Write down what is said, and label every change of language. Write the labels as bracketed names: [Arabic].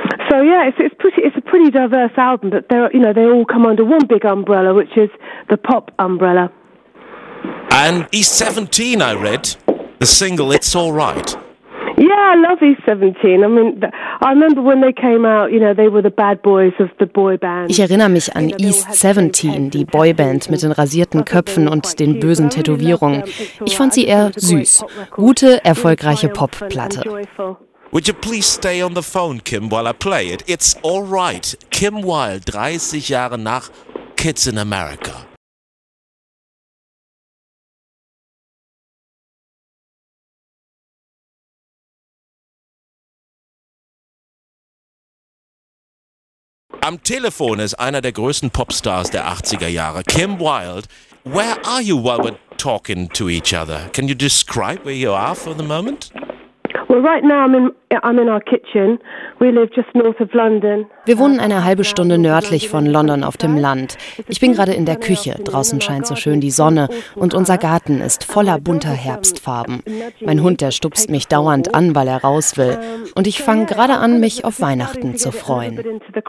[English] So yeah, it's a pretty diverse album, but they all come under one big umbrella, which is the pop umbrella. And E17, I read the single It's All Right. Yeah, I love E17. I mean, I remember when they came out, you know, they were the bad boys of the boy band. [German] Ich erinnere mich an E17, die Boyband mit den rasierten Köpfen und den bösen Tätowierungen. Ich fand sie eher süß. Gute, erfolgreiche Popplatte. [English] Would you please stay on the phone, Kim, while I play it? [German] It's All Right, Kim Wilde, 30 Jahre nach Kids in America. Am Telefon ist einer der größten Popstars der 80er Jahre, Kim Wilde. [English] Where are you while we're talking to each other? Can you describe where you are for the moment? Well, right now I'm in our kitchen. We live just north of London. [German] Wir wohnen eine halbe Stunde nördlich von London auf dem Land. Ich bin gerade in der Küche. Draußen scheint so schön die Sonne und unser Garten ist voller bunter Herbstfarben. Mein Hund, der stupst mich dauernd an, weil er raus will. Und ich fange gerade an, mich auf Weihnachten zu freuen.